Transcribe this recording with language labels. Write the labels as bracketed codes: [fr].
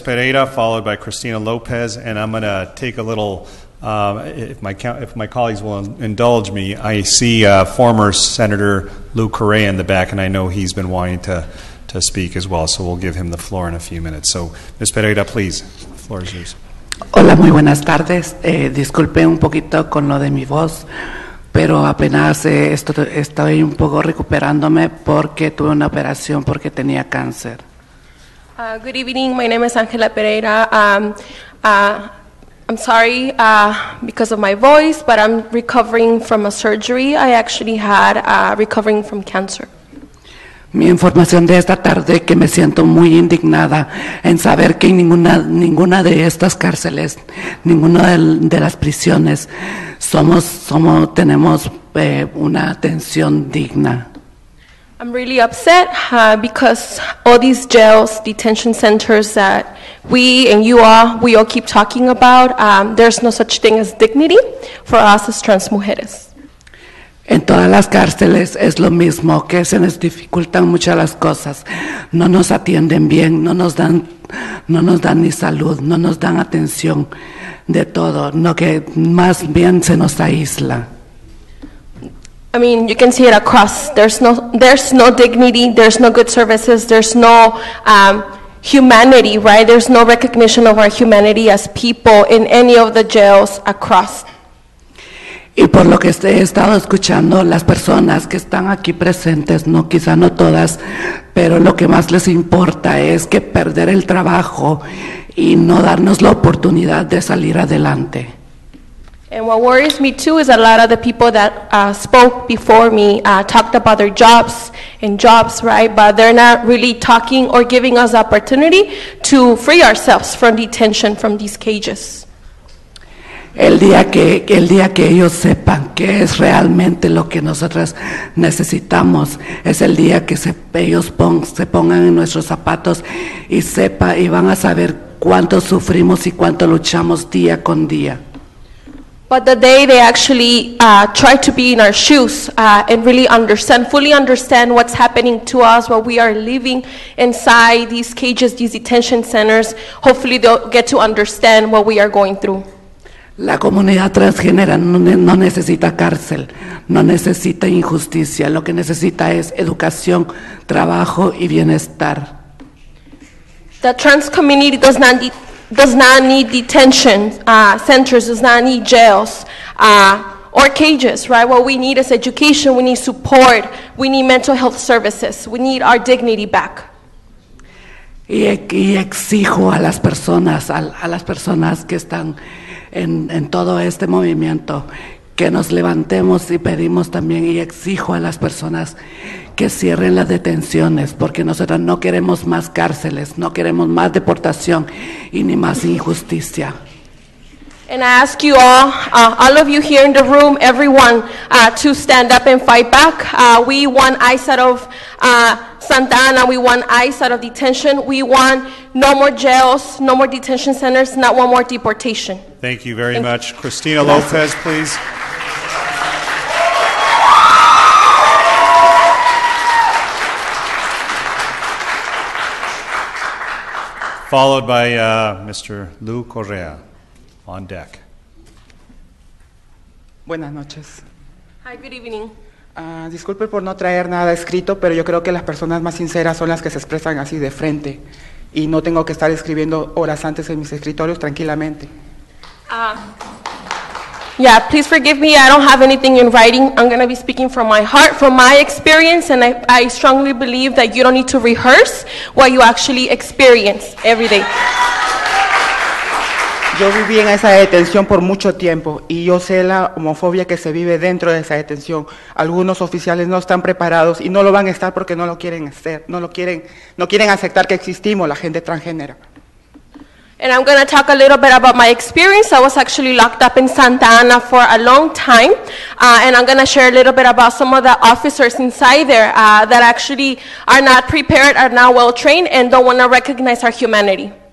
[en] Pereira, followed by Christina Lopez, and I'm going to take a little, if my colleagues will indulge me, I see former Senator Lou Correa in the back, and I know he's been wanting to speak as well, so we'll give him the floor in a few minutes. So Ms. Pereira, please, the floor is yours. [es] Hola, muy buenas tardes. Disculpe un poquito con lo de mi voz, pero apenas estoy un poco recuperándome porque tuve una operación porque tenía cáncer. [en] Good evening. My name is Angela Pereira. I'm sorry because of my voice, but I'm recovering from a surgery I actually had, recovering from cancer. [es] Mi información de esta tarde que me siento muy indignada en saber que ninguna de estas cárceles, ninguna de las prisiones, tenemos una atención digna. [en] I'm really upset because all these jails, detention centers that we and you all, we all keep talking about, there's no such thing as dignity for us as trans mujeres. [es] En todas las cárceles es lo mismo, que se nos dificultan muchas las cosas. No nos atienden bien, no nos dan ni salud, no nos dan atención de todo, no que más bien se nos aísla. [en] I mean, you can see it across. There's no dignity, there's no good services, there's no humanity, right? There's no recognition of our humanity as people in any of the jails across. [es] Y por lo que he estado escuchando, las personas que están aquí presentes, no quizá no todas, pero lo que más les importa es que perder el trabajo y no darnos la oportunidad de salir adelante. [en] And what worries me too is a lot of the people that spoke before me talked about their jobs, right? But they're not really talking or giving us opportunity to free ourselves from detention, from these cages. [es] El día que ellos sepan qué es realmente lo que nosotras necesitamos es el día que se pongan en nuestros zapatos y sepa y van a saber cuánto sufrimos y cuánto luchamos día con día. [en] But the day they actually try to be in our shoes and really fully understand what's happening to us, what we are living inside these cages, these detention centers, hopefully they'll get to understand what we are going through. [es] La comunidad transgénera no necesita cárcel, no necesita injusticia. Lo que necesita es educación, trabajo y bienestar. [en] The trans community does not need detention centers, does not need jails or cages, right? What we need is education, we need support, we need mental health services, we need our dignity back. [es] Y exijo a las personas que están en todo este movimiento que nos levantemos y pedimos también, y exijo a las personas que cierren las detenciones, porque nosotros no queremos más cárceles, no queremos más deportación y ni más injusticia. [en] And I ask you all of you here in the room, everyone, to stand up and fight back. We want ICE out of Santa Ana, we want ICE out of detention, we want no more jails, no more detention centers, not one more deportation. Thank you very much. Christina Lopez, please. Followed by Mr. Lou Correa, on deck. [es] Buenas noches. [en] Hi, good evening. [es] Disculpe por no traer nada escrito, pero yo creo que las personas más sinceras son las que se expresan así de frente. Y no tengo que estar escribiendo horas antes en mis escritorios tranquilamente. [en] Yeah, please forgive me. I don't have anything in writing. I'm going to be speaking from my heart, from my experience, and I strongly believe that you don't need to rehearse what you actually experience every day. [es] Yo viví en esa detención por mucho tiempo, y yo sé la homofobia que se vive dentro de esa detención. Algunos oficiales no están preparados, y no lo van a estar porque no lo quieren hacer, no quieren aceptar que existimos, la gente transgénero. [en] And I'm going to talk a little bit about my experience. I was actually locked up in Santa Ana for a long time. And I'm going to share a little bit about some of the officers inside there that actually are not prepared, are not well trained, and don't want to recognize our humanity.